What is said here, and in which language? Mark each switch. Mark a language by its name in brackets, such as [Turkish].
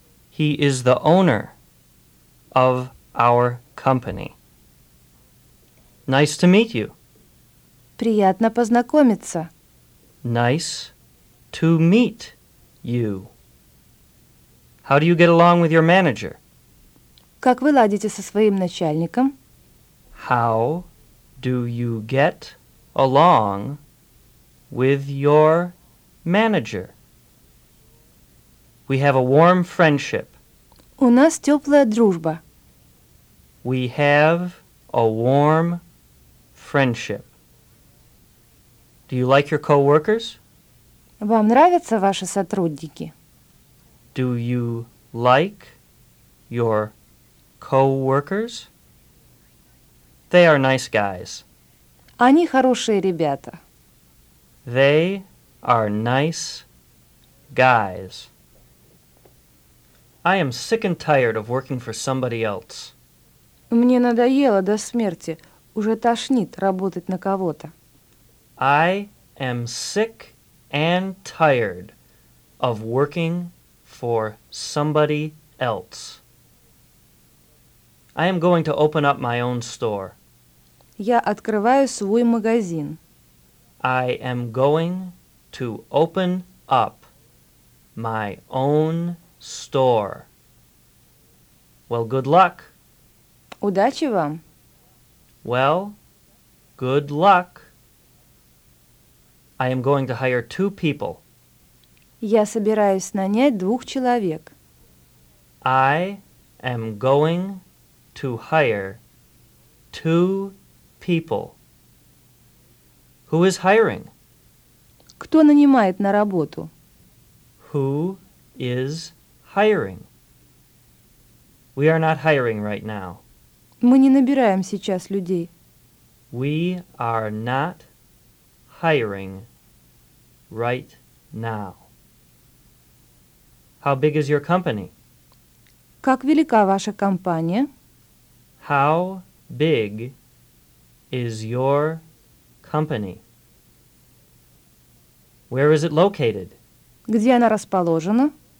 [English] He is the owner of our company. Nice to meet you. [Russian] Приятно познакомиться. [English] Nice to meet you. How do you get along with your manager? [Russian] Как вы ладите со своим начальником? [English] How do you get along with your manager? We have a warm friendship. [Russian] У нас теплая дружба. [English] We have a warm friendship. Do you like your coworkers? [Russian] Вам нравятся ваши сотрудники? [English] Do you like your coworkers? They are nice guys. [Russian] Они хорошие ребята. [English] They are nice guys. I am sick and tired of working for somebody else. [Russian] Мне надоело до смерти. Уже тошнит работать на кого-то. [English] I am sick and tired of working for somebody else. I am going to open up my own store. [Russian] Я открываю свой магазин. [English] I am going to open up my own store. Well, good luck. [Russian] Удачи вам. [English] Well, good luck. I am going to hire two people. [Russian] Я собираюсь нанять двух человек. [English] I am going to hire two people. Who is hiring? [Russian] Кто нанимает на работу? [English] Who is hiring? We are not hiring right now. [Russian] Мы не набираем сейчас людей. [English] We are not hiring right now. How big is your company? [Russian] Как велика ваша компания? [English] How big is your company? Where is it located? [Russian] Где она расположена?